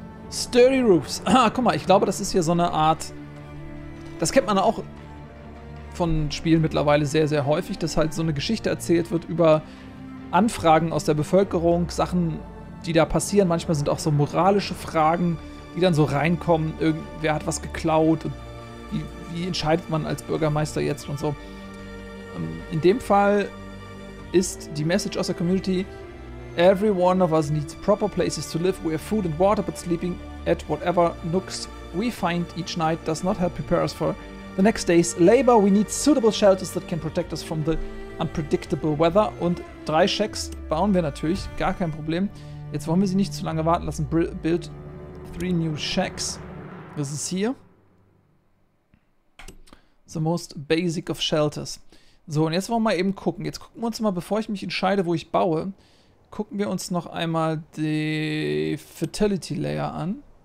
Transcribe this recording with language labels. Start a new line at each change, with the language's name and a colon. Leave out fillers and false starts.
German: Sturdy Roofs. Ah, guck mal, ich glaube, das ist hier so eine Art... Das kennt man auch von Spielen mittlerweile sehr, sehr häufig, dass halt so eine Geschichte erzählt wird über Anfragen aus der Bevölkerung, Sachen, die da passieren. Manchmal sind auch so moralische Fragen, die dann so reinkommen. Irgendwer hat was geklaut und wie entscheidet man als Bürgermeister jetzt und so. In dem Fall ist die Message aus der Community,
English: Every one of us needs proper places to live. We have food and water, but sleeping at whatever nooks we find each night does not help prepare us for the next day's labor. We need suitable shelters that can protect us from the unpredictable weather.
German: Und drei Shacks bauen wir natürlich, gar kein Problem. Jetzt wollen wir sie nicht zu lange warten lassen.
English: Build three new shacks.
German: Das ist hier.
English: The most basic of shelters.
German: So, und jetzt wollen wir mal eben gucken. Jetzt gucken wir uns mal, bevor ich mich entscheide, wo ich baue, gucken wir uns noch einmal die Fertility Layer an.